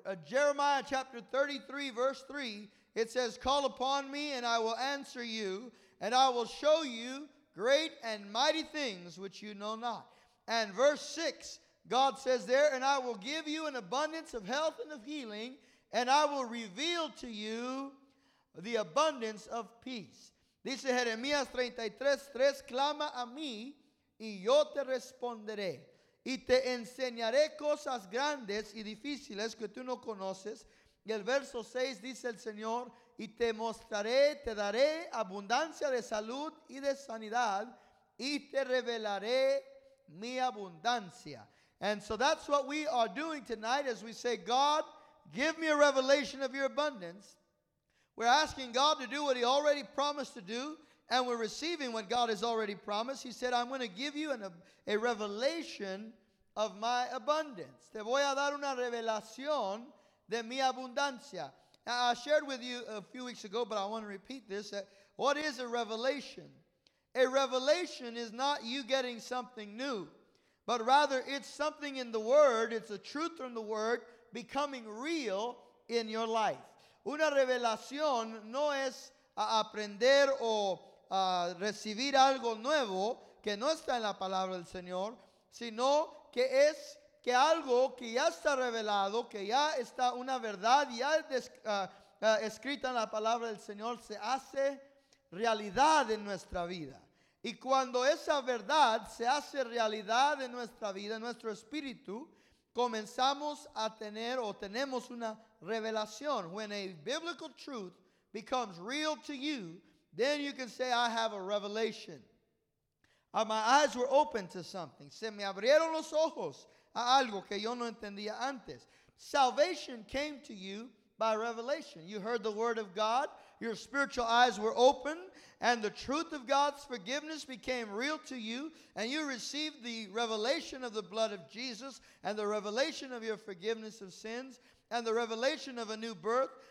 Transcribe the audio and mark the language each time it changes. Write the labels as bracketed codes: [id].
[en] Jeremiah chapter 33, verse 3, it says, call upon Me and I will answer you, and I will show you great and mighty things which you know not. And verse 6, God says there, and I will give you an abundance of health and of healing, and I will reveal to you the abundance of peace. [es] Dice Jeremías 33, 3, clama a Mí y Yo te responderé. Y te enseñaré cosas grandes y difíciles que tú no conoces. Y el verso 6 dice el Señor, y te mostraré, te daré abundancia de salud y de sanidad. y te revelaré mi abundancia. [en] And so that's what we are doing tonight as we say, God, give me a revelation of your abundance. We're asking God to do what he already promised to do, and we're receiving what God has already promised. He said, I'm going to give you a revelation of my abundance. [es] Te voy a dar una revelación de mi abundancia. [en] Now, I shared with you a few weeks ago, but I want to repeat this. What is a revelation? A revelation is not you getting something new, but rather it's something in the Word, it's a truth from the Word, becoming real in your life. [es] Una revelación no es aprender o recibir algo nuevo que no está en la palabra del Señor, sino que es que algo que ya está revelado, que ya está una verdad ya escrita en la palabra del Señor, se hace realidad en nuestra vida. Y cuando esa verdad se hace realidad en nuestra vida, en nuestro espíritu, comenzamos a tener o tenemos una revelación. [en] When a biblical truth becomes real to you, then you can say, I have a revelation. My eyes were open to something. [es] Se me abrieron los ojos a algo que yo no entendía antes. [en] Salvation came to you by revelation. You heard the word of God. Your spiritual eyes were open, and the truth of God's forgiveness became real to you, and you received the revelation of the blood of Jesus and the revelation of your forgiveness of sins and the revelation of a new birth.